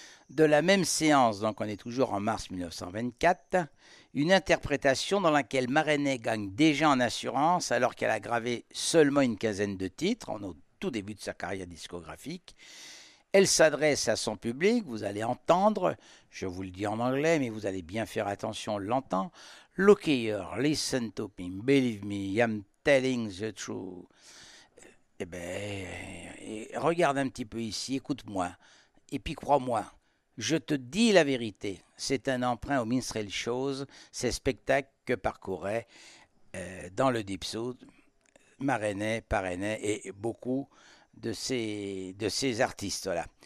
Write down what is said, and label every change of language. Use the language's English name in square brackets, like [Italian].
[French] De la même séance, donc on est toujours en mars 1924, une interprétation dans laquelle Marenay gagne déjà en assurance alors qu'elle a gravé seulement une quinzaine de titres en au tout début de sa carrière discographique. Elle s'adresse à son public, vous allez entendre, je vous le dis en anglais, mais vous allez bien faire attention, l'entend. [English] Look here, listen to me, believe me, I'm telling the truth. [French] Eh bien, regarde un petit peu ici, écoute-moi, et puis crois-moi, je te dis la vérité. C'est un emprunt aux Minstrel Shows, ces spectacles que parcouraient dans le Deep South, Marenay, Parenay et beaucoup de ces artistes-là.